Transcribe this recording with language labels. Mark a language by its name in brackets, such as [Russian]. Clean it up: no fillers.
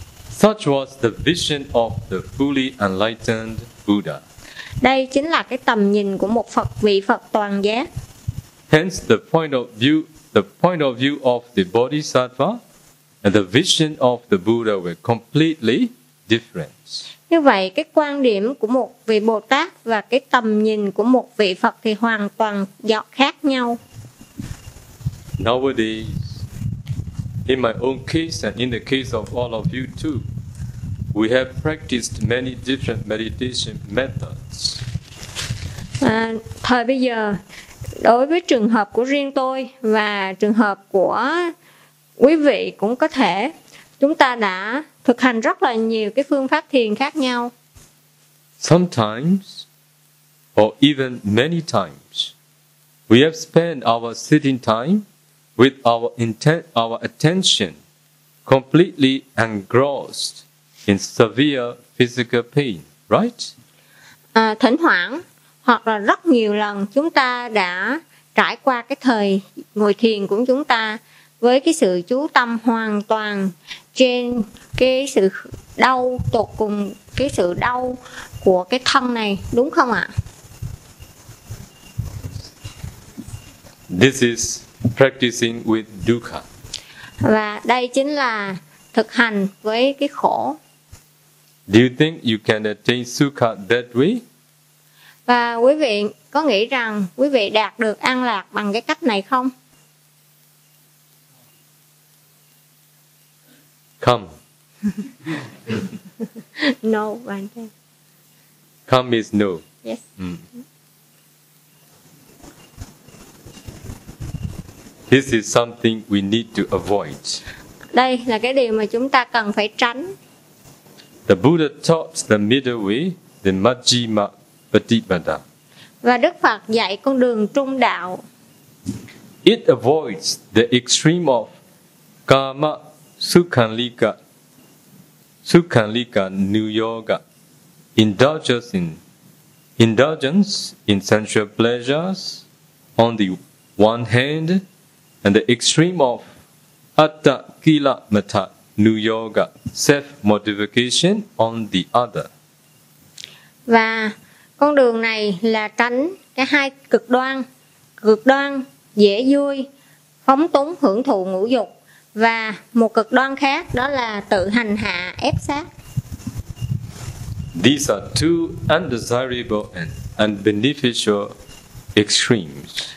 [English] Such was the vision of the fully enlightened Buddha. [Vietnamese] Đây chính là cái tầm nhìn của một vị Phật toàn giác. [English] Hence the point of view of the Bodhisattva and the vision of the Buddha were completely different. [Vietnamese] Như vậy cái quan điểm của một vị Bồ Tát và cái tầm nhìn của một vị Phật thì hoàn toàn khác nhau. [English] Nowadays In my own case and in the case of all of you too, we have practiced many different meditation methods. [Vietnamese] Thời bây giờ, đối với trường hợp của riêng tôi và trường hợp của quý vị cũng có thể, chúng ta đã thực hành rất là nhiều cái phương pháp thiền khác nhau. [English] Sometimes, or even many times, we have spent our sitting time with our intent, our attention completely engrossed in severe physical pain, right? [Vietnamese] Thỉnh thoảng hoặc là rất nhiều lần chúng ta đã trải qua cái thời ngồi thiền của chúng ta với cái sự chú tâm hoàn toàn trên cái sự đau tột cùng, cái sự đau của cái thân này, đúng không ạ? [English] This is practicing with dukkha. [Vietnamese] Và đây chính là thực hành với cái khổ. [English] Do you think you can attain sukha that way? [Vietnamese] Và quý vị có nghĩ rằng quý vị đạt được an lạc bằng cái cách này không? [English] Come. No, one thing. Come is no. Yes. This is something we need to avoid. [Vietnamese] Đây là cái điều mà chúng ta cần phải tránh. [English] The Buddha taught the middle way, the Majjhima Patipada. [Vietnamese] Và Đức Phật dạy con đường trung đạo. [English] It avoids the extreme of kama sukhanlika, sukhanlika niyoga, indulgence in sensual pleasures on the one hand, and the extreme of atta kila metta niyoga, self-mortification on the other. [Vietnamese] Và con đường này là tránh cái hai cực đoan dễ vui, phóng túng hưởng thụ ngũ dục, và một cực đoan khác đó là tự hành hạ ép sát. [English] These are two undesirable and unbeneficial extremes.